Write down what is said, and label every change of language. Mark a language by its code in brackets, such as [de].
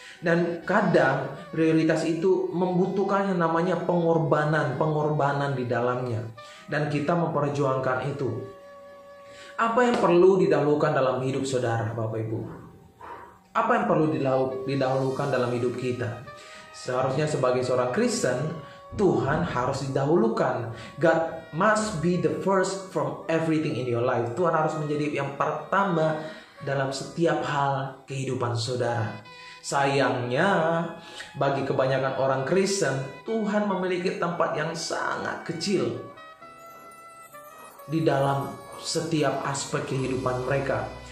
[id] Dan kadang prioritas itu membutuhkan yang namanya pengorbanan, pengorbanan di dalamnya. Dan kita memperjuangkan itu. Apa yang perlu didahulukan dalam hidup saudara, Bapak Ibu? Apa yang perlu didahulukan dalam hidup kita? Seharusnya sebagai seorang Kristen, Tuhan harus didahulukan. [en] God must be the first from everything in your life. [id] Tuhan harus menjadi yang pertama dalam setiap hal kehidupan saudara. Sayangnya, bagi kebanyakan orang Kristen, Tuhan memiliki tempat yang sangat kecil di dalam setiap aspek kehidupan mereka.